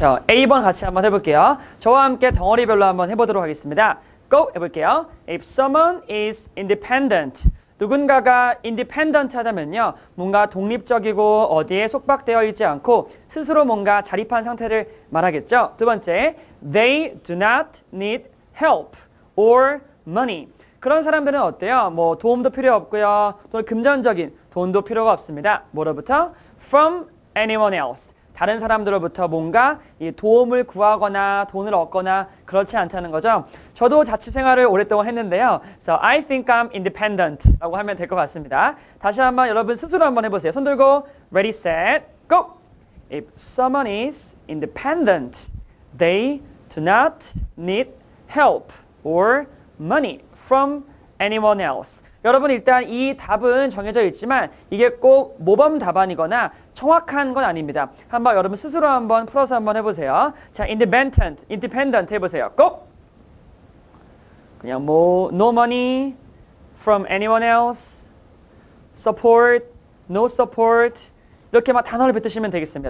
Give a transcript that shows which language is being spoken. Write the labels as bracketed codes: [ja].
[ko] A번 같이 한번 해볼게요. 저와 함께 덩어리별로 한번 해보도록 하겠습니다. [en] Go [ko] 해볼게요. [en] If someone is independent, [ko] 누군가가 [en] independent [ko] 하다면요. 뭔가 독립적이고 어디에 속박되어 있지 않고 스스로 뭔가 자립한 상태를 말하겠죠. 두 번째, [en] they do not need help or money. [ko] 그런 사람들은 어때요? 뭐 도움도 필요 없고요. 또는 금전적인 돈도 필요가 없습니다. 뭐로부터? [en] From anyone else. [ko] 다른 사람들로부터 뭔가 도움을 구하거나 돈을 얻거나 그렇지 않다는 거죠. 저도 자취 생활을 오랫동안 했는데요. [en] So I think I'm independent [ko] 라고 하면 될 것 같습니다. 다시 한번 여러분 스스로 한번 해보세요. 손 들고 [en] Ready, Set, Go! If someone is independent, they do not need help or money from anyone else. [ko] 여러분 일단 이 답은 정해져 있지만 이게 꼭 모범 답안이거나 정확한 건 아닙니다. 한번 여러분 스스로 한번 풀어서 한번 해보세요. 자, independent, independent 해보세요. Go! 그냥 뭐 [en] no money from anyone else, support, no support [ko] 이렇게 막 단어를 뱉으시면 되겠습니다.